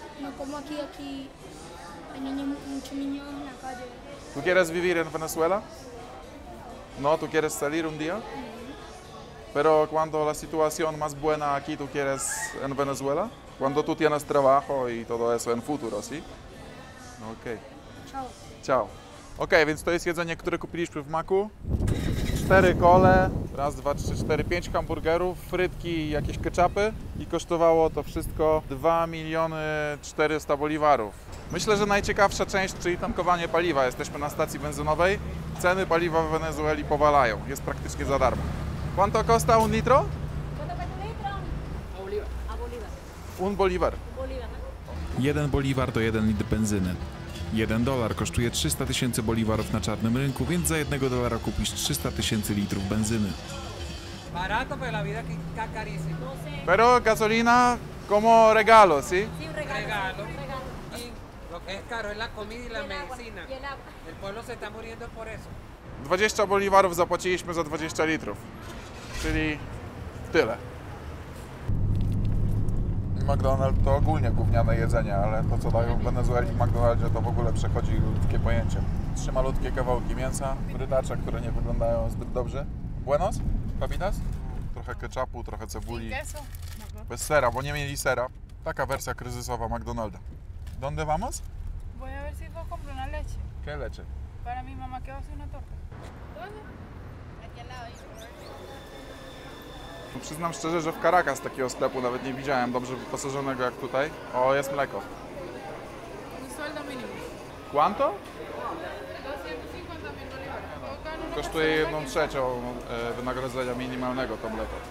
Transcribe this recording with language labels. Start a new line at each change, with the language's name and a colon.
Spanish: No, como aquí hay muchos niños en la calle. ¿Tú quieres vivir en Venezuela? No, ¿tú quieres salir un día? Pero cuando la situación más buena aquí tú quieres en Venezuela, cuando tú tienes trabajo y todo eso en futuro, ¿sí? Ok. Chao. Chao.
Polish: Ok, więc to jest jedzenie, które kupiliśmy w Maku. 4 kole, 5 hamburgerów, frytki i jakieś ketchupy. I kosztowało to wszystko 2 400 000 bolivarów. Myślę, że najciekawsza część, czyli tankowanie paliwa. Jesteśmy na stacji benzynowej. Ceny paliwa w Wenezueli powalają. Jest praktycznie za darmo.
Spanish: Quanto costa un litro? Un bolivar.
Polish: Jeden bolivar to 1 litr benzyny. $1 kosztuje 300 tysięcy bolivarów na czarnym rynku, więc za $1 kupisz 300 tysięcy litrów benzyny.
Spanish: Barato, pero la vida es carísimo. Pero gasolina como regalo, sí? Sí, regalo. Regalo. Lo que es caro es la comida y la medicina. El pueblo se está muriendo por eso.
Polish: 20 bolivarów zapłaciliśmy za 20 litrów. Czyli tyle. McDonald's to ogólnie gówniane jedzenie, ale to, co dają w Wenezueli w McDonaldzie, to w ogóle przechodzi ludzkie pojęcie. 3 malutkie kawałki mięsa, frytacze, które nie wyglądają zbyt dobrze.
Spanish: Buenos? Papitas?
Polish: Trochę ketchupu, trochę cebuli. Bez sera, bo nie mieli sera. Taka wersja kryzysowa McDonalda.
Spanish: Donde vamos? Voy a ver si puedo comprar una leche. ¿Qué leche? Para mi mamá que va a hacer una torta.
Polish: No przyznam szczerze, że w Caracas takiego sklepu nawet nie widziałem, dobrze wyposażonego jak tutaj. O, jest mleko.
Spanish: Un sueldo mínimo. Quanto?
Polish: 250 bolivarów. Kosztuje 1/3 wynagrodzenia minimalnego to mleko.